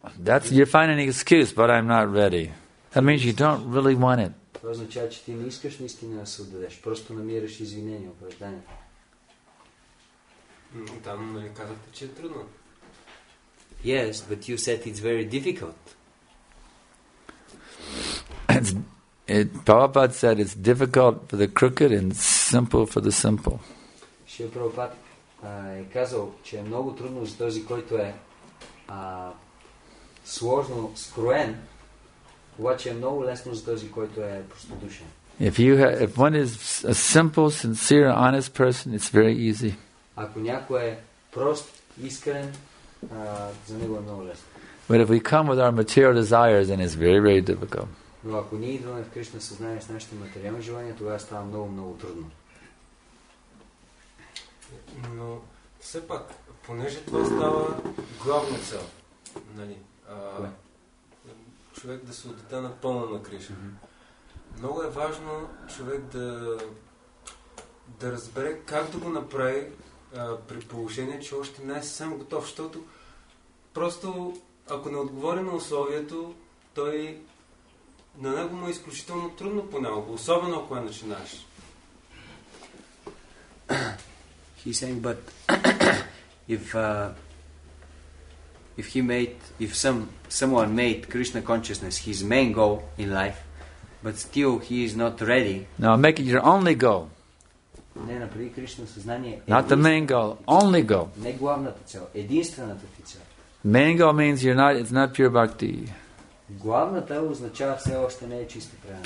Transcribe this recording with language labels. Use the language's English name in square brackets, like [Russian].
[English] That's, you're finding an excuse, but I'm not ready. That means you don't really want it. [Bulgarian] Това означава, че ти не искаш наистина да се отдадеш. Просто намираш извинение, оправдание. Там нали казахте, че е трудно. [English] Yes, but you said it's very difficult. Prabhupada said it's difficult for the crooked and simple for the simple. [Bulgarian] Шрила Прабхупад е казал, че е много трудно за този, който е сложно скроен. Обаче е много лесно за този, който е простодушен. [English] If one is a simple, sincere, honest person, it's very easy. [Bulgarian] Ако някой е прост, искрен, за него е много лесно. [English] But if we come with our material desires, then it's very, very difficult. [Bulgarian] Но ако ние идваме в Кришна съзнание с нашите материални желания, тогава става много, много трудно. Но все пак, понеже това става главна цел, нали, човек да се отдаде напълно на Кришна. Mm-hmm. Много е важно човек да разбере как да го направи при положение, че още не е съвсем готов, защото просто ако не отговори на условието, той на него му е изключително трудно понякога, особено ако е начинаш. [English] He's saying, but if if someone made Krishna consciousness his main goal in life, but still he is not ready. No, make it your only goal. [Bulgarian] Не, напри Кришна съзнание. [English] Not the main goal, only goal. [Bulgarian] Не главната цел, единствената цел. [English] Main goal means it's not pure bhakti. [Bulgarian] Главната означава все още не е чиста преданост.